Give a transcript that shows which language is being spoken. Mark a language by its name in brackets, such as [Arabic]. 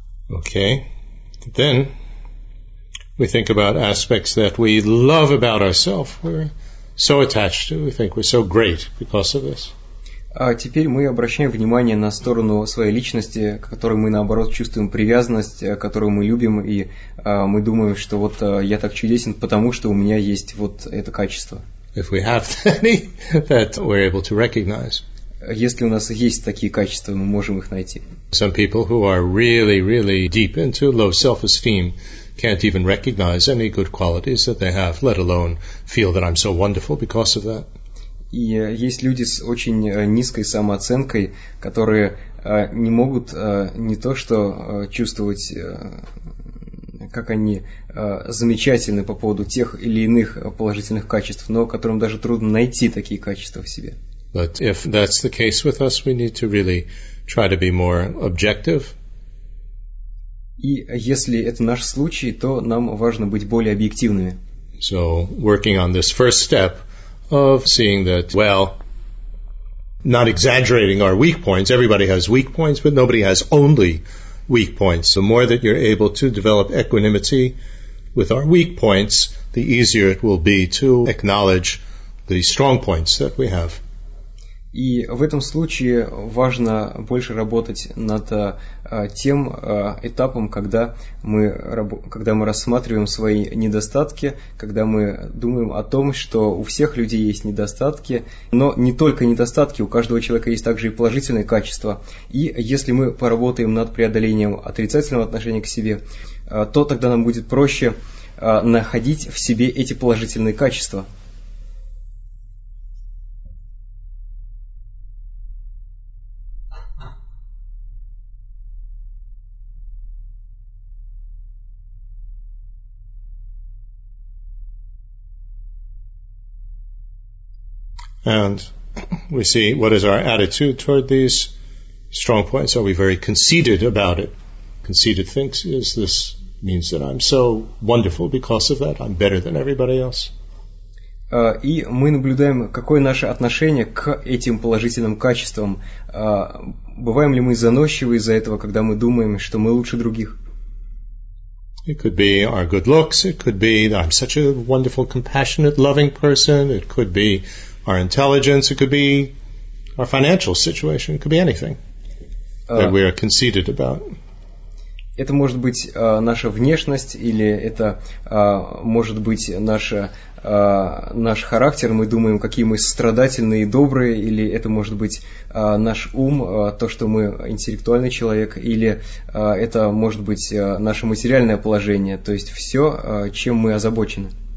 [English] Okay, then we think about aspects that we love about ourselves. We're so attached to. We think we're so great because of this. [Russian] Теперь мы обращаем внимание на сторону своей личности, к которой мы наоборот чувствуем привязанность, которую мы любим, и мы думаем, что вот я так чудесен, потому что у меня есть вот это качество. [English] If we have any that we're able to recognize. [Russian] Если у нас есть такие качества, мы можем их найти. [English] Some people who are really, really deep into low self-esteem can't even recognize any good qualities that they have, let alone feel that I'm so wonderful because of that. [Russian] И есть люди с очень низкой самооценкой, которые не могут не то что чувствовать, как они замечательны по поводу тех или иных положительных качеств, но которым даже трудно найти такие качества в себе. [English] But if that's the case with us, we need to really try to be more objective. [Russian] И если это наш случай, то нам важно быть более объективными. [English] So, working on this first step of seeing that, well, not exaggerating our weak points, everybody has weak points, but nobody has only weak points. The more that you're able to develop equanimity with our weak points, the easier it will be to acknowledge the strong points that we have. [Russian] И в этом случае важно больше работать над тем этапом, когда мы рассматриваем свои недостатки, когда мы думаем о том, что у всех людей есть недостатки, но не только недостатки, у каждого человека есть также и положительные качества. И если мы поработаем над преодолением отрицательного отношения к себе, то тогда нам будет проще находить в себе эти положительные качества. [English] And we see, what is our attitude toward these strong points? Are we very conceited about it? Conceited thinks, is this means that I'm so wonderful because of that? I'm better than everybody else? [Russian] И мы наблюдаем, какое наше отношение к этим положительным качествам. Бываем ли мы заносчивы из-за этого, когда мы думаем, что мы лучше других? [English] It could be our good looks. It could be that I'm such a wonderful, compassionate, loving person. It could be our intelligence, it could be our financial situation, it could be anything that we are conceited about. [Russian] Это может быть наша внешность, или это может быть наш характер, мы думаем, какие мы страдательные и добрые, или это может быть наш ум, то, что мы интеллектуальный человек, или это может быть наше материальное положение, то есть все, чем мы озабочены.